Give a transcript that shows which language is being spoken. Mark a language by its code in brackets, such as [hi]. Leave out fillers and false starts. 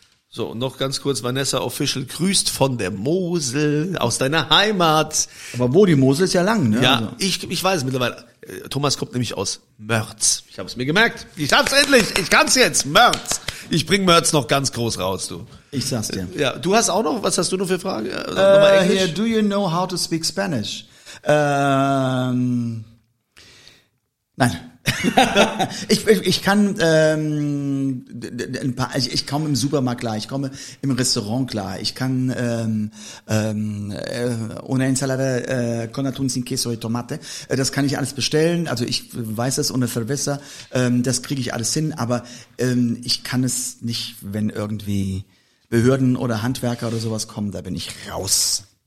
[de] So, noch ganz kurz, Vanessa Official grüßt von der Mosel, aus deiner Heimat. Aber wo, die Mosel ist ja lang, ne? Ja, also. Ich weiß mittlerweile, Thomas kommt nämlich aus Mörz. Ich habe es mir gemerkt, ich hab's endlich, ich kann's jetzt, Mörz. Ich bring Mörz noch ganz groß raus, du. Ich sag's dir. Ja, du hast auch noch, was hast du noch für Fragen? [en] Yeah, do you know how to speak Spanish? [de] Nein. Ich komme im Supermarkt klar, ich komme im Restaurant klar, ich kann [es] una ensalada con atún sin queso y tomate, [de] das kann ich alles bestellen, also ich weiß das, [es] una cerveza, [de] das kriege ich alles hin, aber ich kann es nicht, wenn irgendwie Behörden oder Handwerker oder sowas kommen, da bin ich raus.